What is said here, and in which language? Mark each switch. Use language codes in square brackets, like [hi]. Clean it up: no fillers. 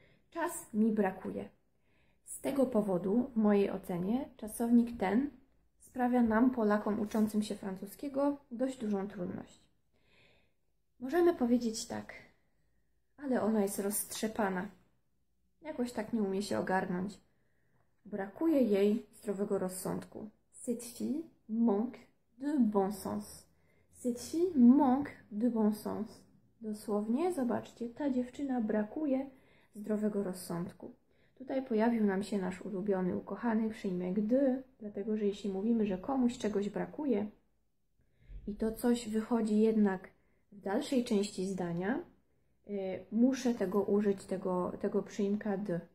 [pl] Czas mi brakuje. Z tego powodu, w mojej ocenie, czasownik ten sprawia nam, Polakom uczącym się francuskiego, dość dużą trudność. Możemy powiedzieć tak, ale ona jest roztrzepana. Jakoś tak nie umie się ogarnąć. Brakuje jej zdrowego rozsądku. [fr] Cette fille manque de bon sens. Cette fille manque de bon sens. [pl] Dosłownie, zobaczcie, ta dziewczyna brakuje zdrowego rozsądku. Tutaj pojawił nam się nasz ulubiony, ukochany przyjmek de, dlatego że jeśli mówimy, że komuś czegoś brakuje i to coś wychodzi jednak w dalszej części zdania, muszę tego użyć, tego przyjmka de.